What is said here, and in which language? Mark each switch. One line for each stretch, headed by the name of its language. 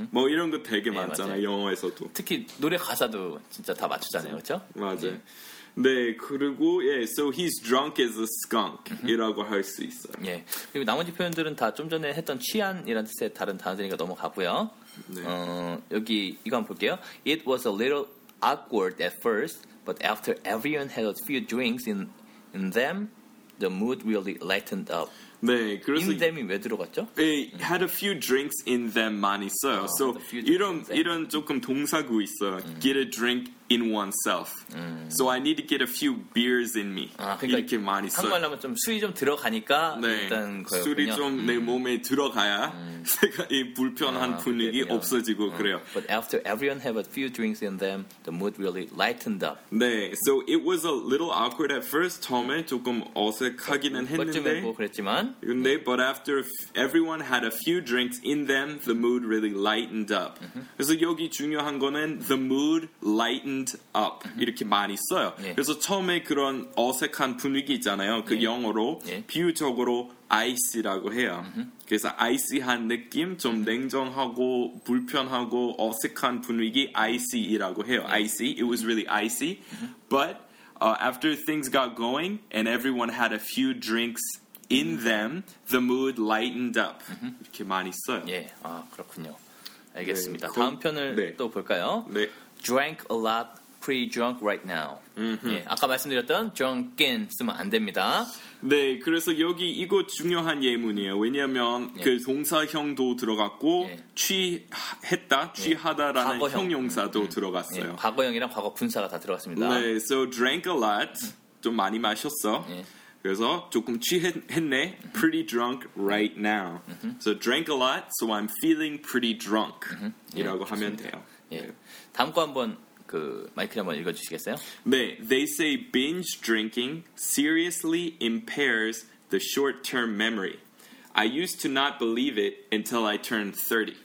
Korean: 뭐 이런 거 되게 많잖아요. 영어에서도. 특히 노래 가사도 진짜 다 맞추잖아요. 그렇죠? 맞아요. 네, 그리고 예,
English: so he's drunk as a skunk
Korean: 이라고 할 수 있어요. 예, 그리고 나머지 표현들은 다 좀 전에 했던 취한이라는 뜻의 다른 단어들이니까 넘어가고요. 네. 여기 이거 한번 볼게요.
English: It was a little awkward at first, but after everyone had a few drinks in them, the mood really lightened up.
Korean: 네, 그래서
English: in them
Korean: 이 왜 들어갔죠?
English: Had a few drinks in them
Korean: 많이 써요. 아, so 이런 조금 동사구 있어.
English: Get a drink in oneself. So I need to get a few beers in me.
Korean: 아, 그러니까 이렇게 많이 써. 한 말로 하면 좀 술이 좀 들어가니까 네, 일단 거예요. 술이 좀 내 몸에 들어가야 제가 이 불편한 분위기 아, 없어지고 그래요.
English: But after everyone had a few drinks in them, the mood really lightened up. 네, so it was a little awkward at first.
Korean: 처음에 조금 어색하기는 했는데. 그랬지만.
English: They, but after everyone had a few drinks in them, the mood really lightened up.
Korean: Mm-hmm. 그래서 여기 중요한 거는
English: the mood lightened up.
Korean: Mm-hmm. 이렇게 많이 써요. Yeah. 그래서 처음에 그런 어색한 분위기 있잖아요. 그 yeah. 영어로 yeah. 비유적으로 icy라고 해요. Mm-hmm. 그래서 icy한 느낌, 좀 냉정하고 불편하고 어색한 분위기 icy라고 해요.
English: Yeah. Icy, it was really icy. Mm-hmm. But after things got going and everyone had a few drinks in them, the mood lightened up.
Korean: Mm-hmm. 이렇게 많이 써요. 예, 아 그렇군요. 알겠습니다. 네, 다음 편을 네. 또 볼까요? 네.
English: Drank a lot, pretty drunk right now. Mm-hmm.
Korean: 예, 아까 말씀드렸던 drunken 쓰면 안 됩니다. 네, 그래서 여기 이거 중요한 예문이에요. 왜냐하면 예. 그 동사형도 들어갔고 예. 취했다, 취하다라는 예. 과거형. 형용사도 들어갔어요. 예, 과거형이랑 과거 분사가 다 들어갔습니다. 네,
English: so drank a lot,
Korean: 좀 많이 마셨어. 예. 그래서 조금 취했네.
English: Pretty drunk right now. Mm-hmm. So drank a lot, so I'm feeling pretty drunk.
Korean: Mm-hmm. 이라고 yeah, 하면 좋습니다. 돼요. Yeah. 네. 다음 거 한번 그 마이크 한번 읽어주시겠어요? 네.
English: They say binge drinking seriously impairs the short-term memory. I used to not believe it until I turned 30.